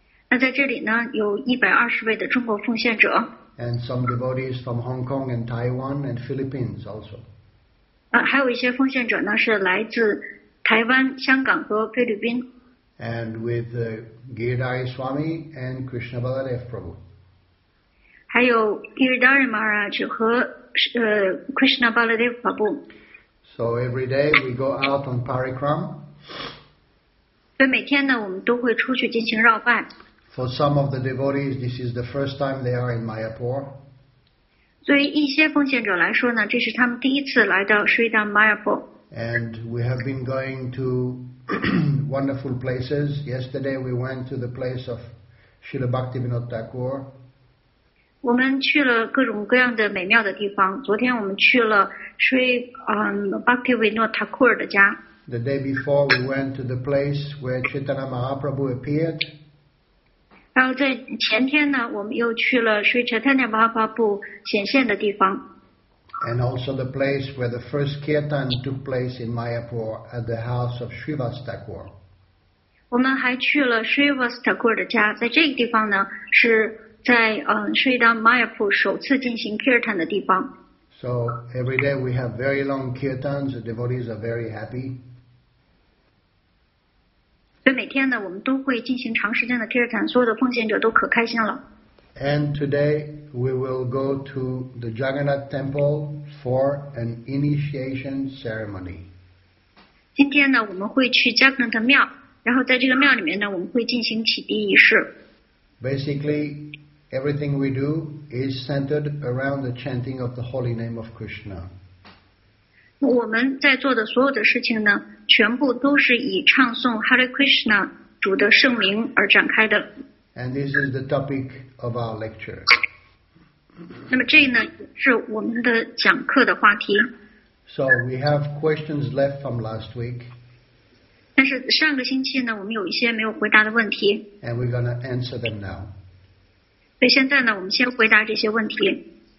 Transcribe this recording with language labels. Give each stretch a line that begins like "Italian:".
Chinese: 那在这里呢有120位的中国奉献者。
English: And some devotees from Hong Kong and Taiwan and Philippines also.
Chinese: 还有一些奉献者呢是来自台湾、香港和菲律宾。
English: And with Giridhari Swami and Krishna Baladev Prabhu.
Chinese: 还有 Giridhari Maharaj 和Krishna Baladev Prabhu.
English: So every day we go out on parikram.
Chinese: 所以每天呢，我们都会出去进行绕拜。
English: For some of the devotees, this is the first time they are in Mayapur.
Chinese: 对于一些奉献者来说呢，这是他们第一次来到 Shridhar Mayapur.
English: And we have been going to wonderful places. Yesterday we went to the place of Srila Bhaktivinoda Thakur.
Chinese: 我们去了各种各样的美妙的地方。昨天我们去了 Sri Bhaktivinoda Thakur 的家。
English: The day before we went to the place where Chaitanya Mahaprabhu appeared.
Chinese: 然后在前天呢，我们又去了 Sri Chaitanya Mahaprabhu 显现的地方。
English: And also the place where the first kirtan took place in Mayapur at the house of Srivas Thakur.
Chinese: 我们还去了 Srivas Thakur 的家，在这个地方呢，是在Shridhar Mayapur 首次进行 kirtan 的地方。
English: So every day we have very long kirtans. The devotees are very happy.
Chinese: 所以每天呢，我们都会进行长时间的 kirtan， 所有的奉献者都可开心了。
English: And today we will go to the Jagannath Temple for an initiation ceremony.
Chinese: 今天呢，我们会去加格纳特庙，然后在这个庙里面呢，我们会进行启迪仪式。
English: Basically, everything we do is centered around the chanting of the holy name of Krishna.
Chinese: 我们在做的所有的事情呢，全部都是以唱诵 Hare Krishna 主的圣名而展开的。
English: And this is the topic of our lecture.
Chinese: 那么这呢是我们的讲课的话题。
English: So we have questions left from last week.
Chinese: 但是上个星期呢，我们有一些没有回答的问题。
English: And we're going to answer them now.
Chinese: 所以现在呢，我们先回答这些问题。